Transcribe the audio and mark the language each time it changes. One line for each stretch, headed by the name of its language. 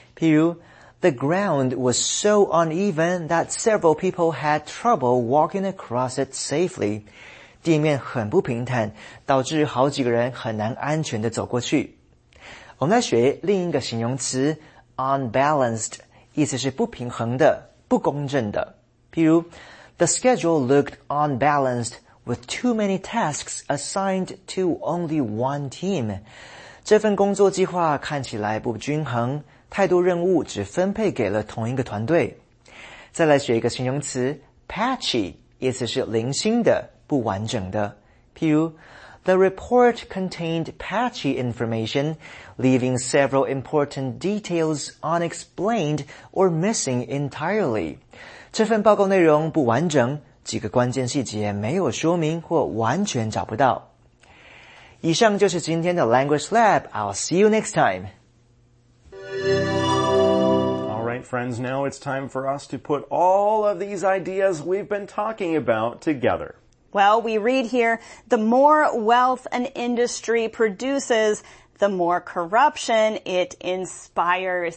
Chinese: 譬如
English: ,the ground was so uneven that several people had trouble walking across it safely.
Chinese: 地面很不平坦，导致好几个人很难安全地走过去。我们来学另一个形容词 ,unbalanced, 意思是不平衡的、不公正的。譬如
English: ,the schedule looked unbalanced,with too many tasks assigned to only one team.
Chinese: 这份工作计划看起来不均衡，太多任务只分配给了同一个团队。再来学一个形容词 ,patchy, 意思是零星的、不完整的。譬如
English: ,the report contained patchy information, leaving several important details unexplained or missing entirely.
Chinese: 这份报告内容不完整，几个关键细节没有说明或完全找不到。以上就是今天的
English: Language Lab. I'll see you next time. All right, friends, now it's time for us to put all of these ideas we've been talking about together. Well, we read here, the more wealth an industry produces, the more corruption it inspires.